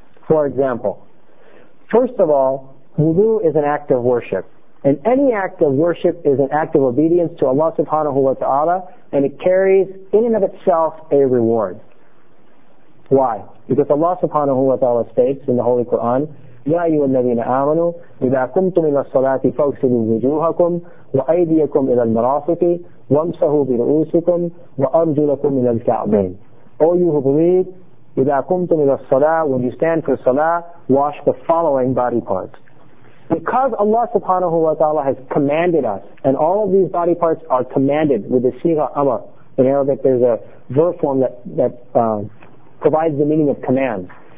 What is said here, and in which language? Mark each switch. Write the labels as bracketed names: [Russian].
[English] For example, first of all, wudu is an act of worship. And any act of worship is an act of obedience to Allah subhanahu wa ta'ala, and it carries in and of itself a reward. Why? Because Allah subhanahu wa ta'ala states in the Holy Quran, [Arabic] يا أيها الذين آمنوا إذا قمتم إلى الصلاة فاغسلوا وجوهكم وأيديكم إلى المرافق وامسحوا برؤوسكم وأرجلكم إلى الكعبين. [English] All you who believe, [Arabic] إذا قمتم إلى الصلاة, [English] when you stand for الصلاة, wash the following body parts. Because Allah subhanahu wa ta'ala has commanded us, and all of these body parts are commanded with the siga amr. In Arabic, there's a verb form that provides the meaning of command.